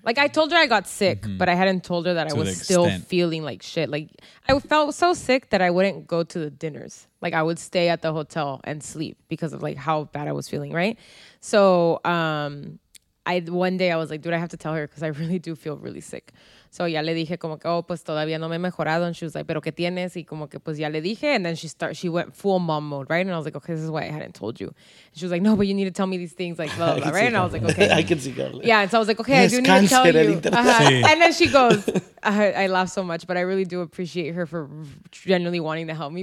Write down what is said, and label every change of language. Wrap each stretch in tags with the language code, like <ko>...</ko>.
<en>Like I told her I got sick, mm-hmm. but I hadn't told her that to I was still feeling like shit. Like I felt so sick that I wouldn't go to the dinners. Like I would stay at the hotel and sleep because of like how bad I was feeling. Right. So One day I was like, dude, I have to tell her because I really do feel really sick.</en> <es>So ya le dije como que, oh, pues todavía no me he mejorado.</es> <en>And she was like,</en> <es>pero ¿qué tienes? Y como que, pues ya le dije.</es> <en>And then she went full mom mode, right? And I was like, okay, this is why I hadn't told you. And she was like, no, but you need to tell me these things, like, blah, blah, blah, right? And I was like, okay. I can see that. Yeah, and so I was like, okay, there's I do need to tell you. And then she goes, I laugh so much, but I really do appreciate her for genuinely wanting to help me.</en>